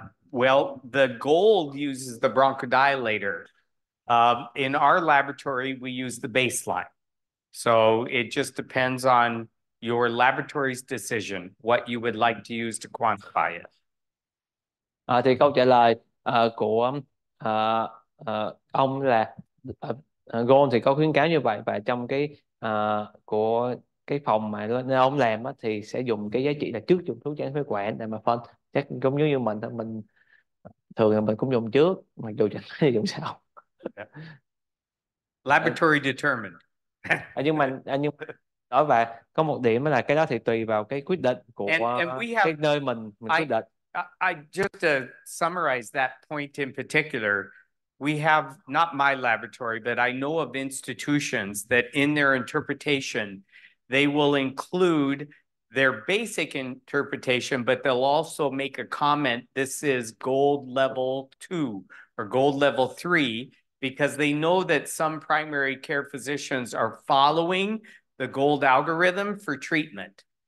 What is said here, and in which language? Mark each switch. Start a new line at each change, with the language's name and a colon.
English: Well, the gold uses the bronchodilator. In our laboratory, we use the baseline. So it just depends on your laboratory's decision, what you would like to use to quantify it.
Vietnamese: Thì câu trả lời của ông là gold thì có khuyến cáo như vậy, và trong cái của cái phòng mà nơi ông làm á, thì sẽ dùng cái giá trị là trước dùng thuốc giãn phế quản để mà phân. Chắc cũng như mình thôi, mình thường là mình cũng dùng trước mà dù chẳng thì dùng sau.
English: Laboratory determined.
Vietnamese: nhưng đó, và có một điểm là cái đó thì tùy vào cái quyết định của
English: have,
Vietnamese: cái nơi mình quyết định.
English: I just to summarize that point in particular. We have, not my laboratory, but I know of institutions that in their interpretation, they will include their basic interpretation, but they'll also make a comment, this is gold level 2 or gold level 3, because they know that some primary care physicians are following the gold algorithm for treatment.